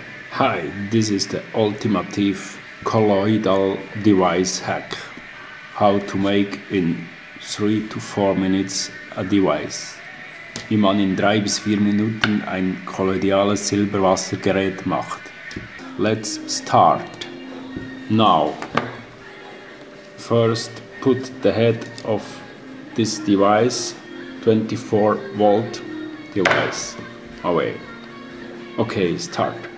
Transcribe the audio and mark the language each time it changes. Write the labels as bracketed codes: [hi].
[en] Hi, this is the ultimate colloidal device hack. How to make in 3 to 4 minutes a device. [de] Wie man in 3 bis 4 Minuten ein kolloidales Silberwassergerät macht. [en] Let's start. Now, first put the head of this device, 24 volt device, away. Okay, start.